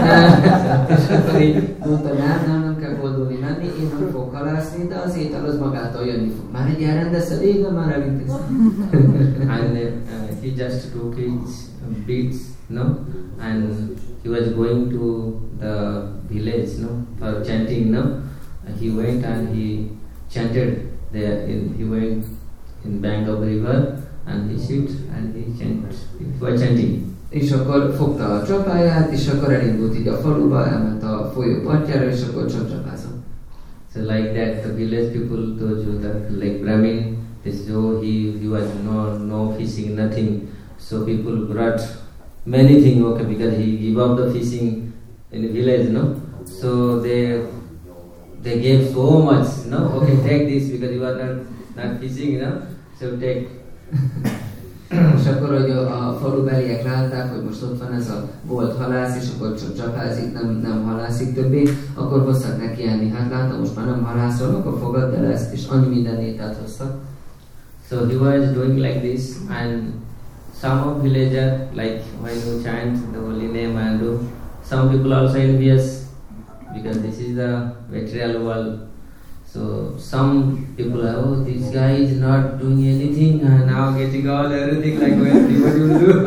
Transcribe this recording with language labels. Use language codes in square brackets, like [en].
[hu] Mondta, nem kell boldogni menni, én nem fogok halászni, de az étel az magától jönni fog. Már egy elrendezted, én nem már elintézted. [en] And he just took his beads, no? And he was going to the village, no? For chanting, no? He went and he chanted there. He went in bank of river. And he shoot and he chant for chanting. És akkor fogta a csapáját, és akkor elindult így a faluba, elment a folyó partjára, és akkor csapcsapázott. So like that, the village people told you that, like Brahmin, so he was no fishing, nothing. So people brought many things, okay, because he gave up the fishing in the village, no? So they gave so much, no? Okay, take this, because you are not fishing, no? So take. [hu] És akkor, hogy a falubeliek látták, hogy most ott van ez a volt halász, és akkor csak csapázik, nem halászik többé, akkor hoztak neki enni. Hát látom, most már nem halászol, akkor fogadd el ezt, és annyi minden ételt hoztak. [en] So he was doing like this, and some of villager, like when you chant the holy name and do, some people also envious, because this is the material world. So some people are, oh, this guy is not doing anything and now getting all everything, like, well, what do you do?